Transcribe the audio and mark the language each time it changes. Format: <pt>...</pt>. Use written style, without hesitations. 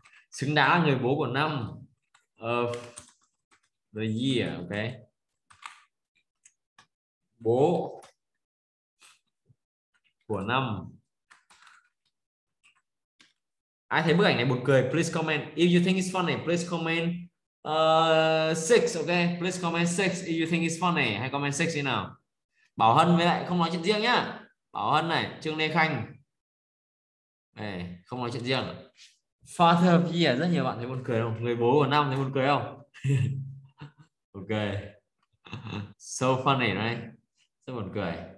<vi>Xứng đáng là người bố của năm.</vi> <en>Of the year.</en> <vi>Okay. Bố của năm. Ai thấy bức ảnh này buồn cười, please comment.</vi> <en>If you think it's funny, please comment 6, okay? Please comment 6 if you think it's funny.</en> <vi>Hay comment 6 đi nào. Bảo Hân với lại không nói chuyện riêng nhá. Bảo Hân này, Trương Lê Khanh. Này, không nói chuyện riêng.</vi> <en>Father of year,</en> <vi>rất nhiều bạn thấy buồn cười không? Người bố của năm thấy buồn cười không?</vi> <en>Ok. So funny, right?</en> <vi>Rất buồn cười.</vi>